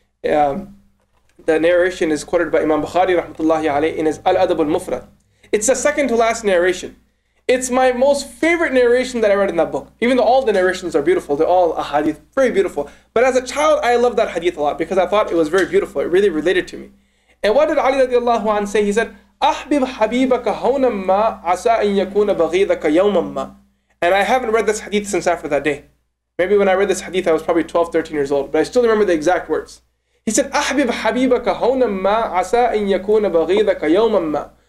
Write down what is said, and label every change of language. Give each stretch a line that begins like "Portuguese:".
English: The narration is quoted by Imam Bukhari rahmatullahi alayhi in his Al-Adab al-Mufrad. It's the second to last narration. It's my most favorite narration that I read in that book. Even though all the narrations are beautiful, they're all a hadith, very beautiful. But as a child, I loved that hadith a lot because I thought it was very beautiful. It really related to me. And what did Ali radiallahu anhu say? He said,
Arabic: أَحْبِبْ حَبِيبَكَ هَوْنَ مَا عَسَىٰ أَن يَكُونَ بَغِيذَكَ يَوْمًا مَا.
English: And I haven't read this hadith since after that day. Maybe when I read this hadith, I was probably 12, 13 years old, but I still remember the exact words. He said,
Arabic: أَحْبِبْ حَبِيبَكَ هَوْنَ مَا عَسَىٰ أَن يَكُونَ بَغِيذَكَ يَوْمًا مَا.